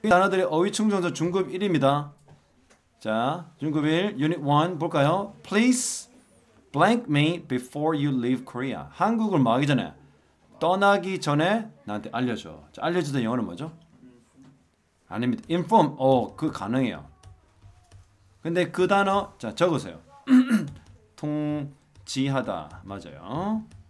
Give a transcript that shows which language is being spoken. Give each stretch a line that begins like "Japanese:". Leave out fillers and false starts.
Korean: 단어들의 어휘 충전자 중급 1입니다. 자, 중급 1, Unit 1 볼까요?
English: Please blank me before you leave Korea.
Korean: 한국을 가기 전에, 떠나기 전에 나한테 알려줘. 자, 알려주던 영어는 뭐죠? 아닙니다. Inform. 그 가능해요. 근데 그 단어, 자, 적으세요. 통지하다. 맞아요.